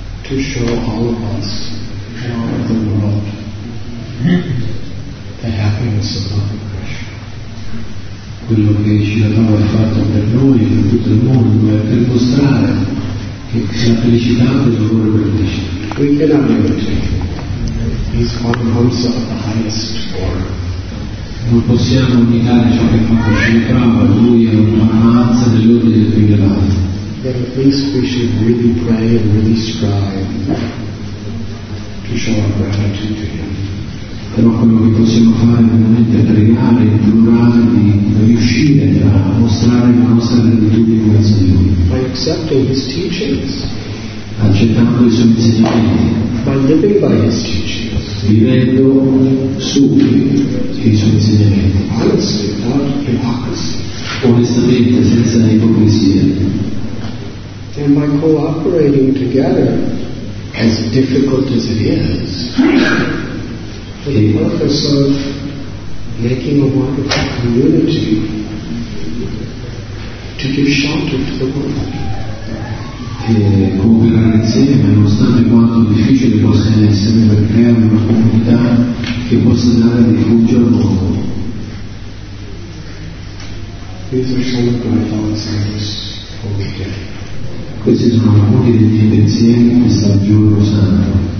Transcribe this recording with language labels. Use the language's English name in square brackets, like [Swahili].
[English] To show all of us and all of the world the happiness of Mother Krishna. [Italian] Quello che Srila Prabhupada ha fatto per noi e per tutto il mondo è per mostrare che la felicità è il dolore per Krishna. [English] We cannot imitate him. He's called Hamsa of the highest order. [Italian] Non possiamo imitare ciò che fa Srila Prabhupada, lui è una manza dell'ordine più elevato. [English] That at least we should really pray and really strive to show our gratitude to Him. [Italian] Però quello che possiamo fare è veramente pregare, implorare di riuscire a mostrare la nostra gratitudine verso di Lui. [English] By accepting His teachings. [Italian] Accettando i Suoi insegnamenti. [English] By living by His teachings. [Italian] Vivendo sui Suoi insegnamenti. [English] Honestly, without hypocrisy. [Italian] Onestamente, senza ipocrisia. [English] And by cooperating together, as difficult as it is, for the purpose of making a wonderful community to give shelter to the world. [Italian] E cooperare insieme, nonostante quanto difficile possa essere, per creare una comunità che possa dare rifugio al mondo. [English] These are some of my thoughts on this holy day. [Italian] Questi sono alcuni dei miei pensieri che sta giorno santo.